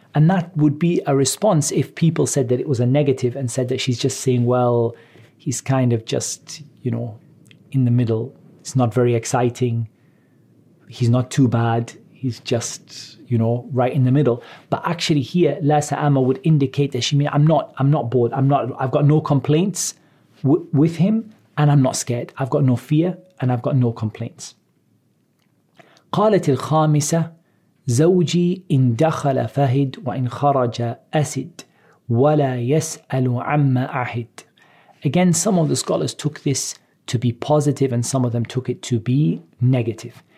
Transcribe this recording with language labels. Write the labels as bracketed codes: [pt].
[en] And that would be a response if people said that it was a negative and said that she's just saying, well, he's kind of just, you know, in the middle. It's not very exciting. He's not too bad. He's just, you know, right in the middle. But actually here, La Sa'ama would indicate that she means, I'm not bored. I've got no complaints with him and I'm not scared. I've got no fear and I've got no complaints. [ar] قالت الخامسة زوجي إن دخل فهد وإن خرج أسد ولا يسأل عما أحد. [en] Again, some of the scholars took this to be positive and some of them took it to be negative.